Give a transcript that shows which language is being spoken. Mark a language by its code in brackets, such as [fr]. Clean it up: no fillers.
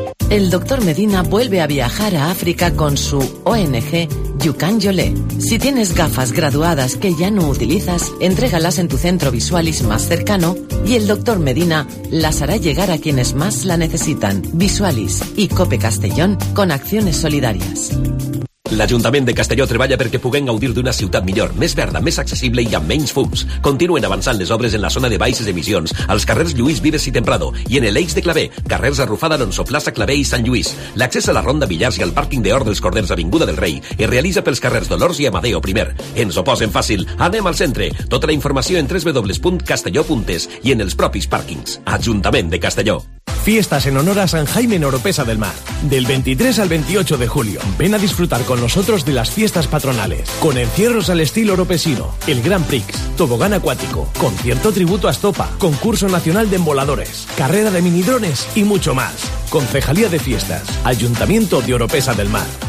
[es] El doctor Medina vuelve a viajar a África con su ONG Yucan Yolé. Si tienes gafas graduadas que ya no utilizas, entrégalas en tu centro Visualis más cercano y el doctor Medina las hará llegar a quienes más la necesitan. Visualis y COPE Castellón con acciones solidarias. [ca] L'Ajuntament de Castelló treballa perquè puguem gaudir d'una ciutat millor, més verda, més accessible i amb menys fums. Continuen avançant les obres en la zona de baixes emissions, als carrers Lluís Vives i Temprado, i en l'Eix de Clavé, carrers Arrufada, Alonso, Plaça Clavé i Sant Lluís. L'accés a la Ronda Villars i al pàrquing d'Hort dels Corders, Avinguda del Rei, es realitza pels carrers Dolors i Amadeo Primer. Ens ho posen fàcil. Anem al centre. Tota la informació en www.castelló.es i en els propis pàrquings. Ajuntament de Castelló. [es] fiestas en honor a San Jaime en Oropesa del Mar. Del 23 al 28 de julio, ven a disfrutar con nosotros de las fiestas patronales. Con encierros al estilo oropesino, el Grand Prix, tobogán acuático, concierto tributo a Estopa, concurso nacional de emboladores, carrera de minidrones y mucho más. Concejalía de Fiestas, Ayuntamiento de Oropesa del Mar.